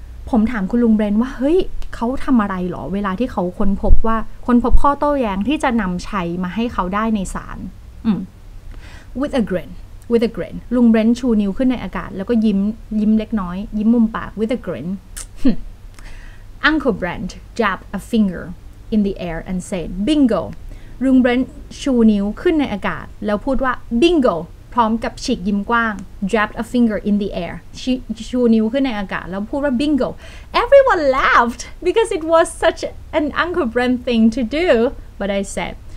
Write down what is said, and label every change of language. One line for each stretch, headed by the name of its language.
Thai: ผมถามคุณลุงเบรนว่าเฮ้ยเขาทำอะไรหรอเวลาที่เขาค้นพบข้อโต้แย้งที่จะนำชัยมาให้เขาได้ในศาล
English: With a grin.
Thai: ลุงเบรนชูนิ้วขึ้นในอากาศแล้วก็ยิ้มเล็กน้อยยิ้มมุมปาก
English: With a grin. Uncle Brent jabbed a finger in the air and said, Bingo.
Thai: ลุงเบรนชูนิ้วขึ้นในอากาศแล้วพูดว่า bingo พร้อมกับฉีกยิ้มกว้าง
English: jabbed a finger in the air
Thai: ชูนิ้วขึ้นในอากาศแล้วพูดว่า bingo
English: everyone laughed because it was such an Uncle Brent thing to do but I said